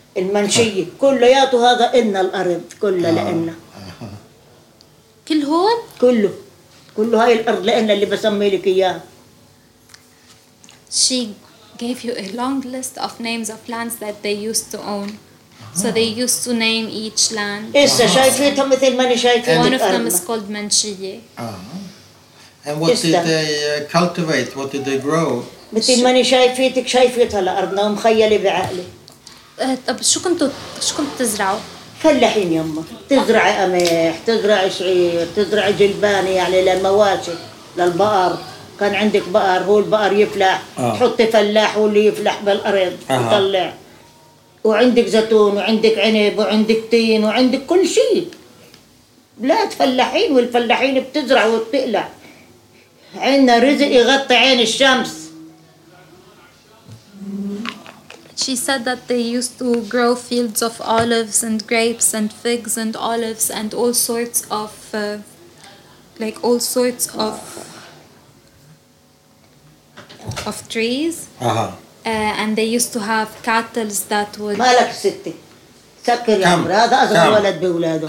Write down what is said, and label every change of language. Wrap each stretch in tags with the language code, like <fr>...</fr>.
<ar>المنشية كله ياتوا هذا إنا الأرض كله لإنا كل هون؟ كله هاي الأرض لإنا اللي بسمي لك إياها.</ar> <en>She gave you a long list of names of lands that they used to own. So they used to name each land.</en> <ar>إسا شايفيتها مثل ماني شايفيتها.</ar> <en>One of them is called منشية. And what did they cultivate? What did they grow?</en> <ar>مثل ماني شايفيتك شايفيتها لأرضنا ومخيلة بعقلي. طب شو كنت تزرعوا؟ فلاحين يما، تزرع قمح، تزرع شعير، تزرع جلباني يعني للمواشي، للبقر، كان عندك بقر هو البقر يفلح، تحطي فلاح هو اللي يفلح بالأرض، يطلع، وعندك زيتون وعندك عنب وعندك تين وعندك كل شيء. بلاد فلاحين والفلاحين بتزرع وبتقلع. عندنا رزق يغطي عين الشمس.</ar> <en>She said that they used to grow fields of olives and grapes and figs and olives and all sorts of, all sorts of trees. And they used to have cattle that would.</en> <ar>مالك ستي سكر يا عمر هذا أصغر ولد بولاده.</ar>